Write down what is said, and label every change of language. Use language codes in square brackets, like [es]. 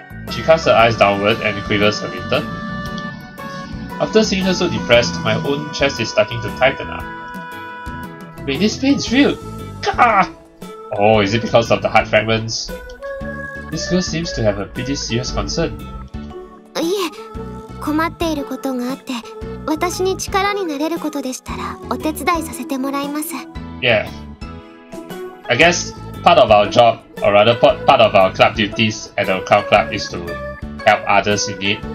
[en] She casts her eyes downward and quivers a little. After seeing her so depressed, my own chest is starting to tighten up. Wait, this pain's real! Gah! Oh, is it because of the heart fragments? This girl seems to have a pretty serious concern. [ja] Yeah, 困っていることがあって 私に力になれることでしたらお手伝いさせてもらいます [en] Yeah, I guess part of our job, or rather part of our club duties at the club is to help others in need.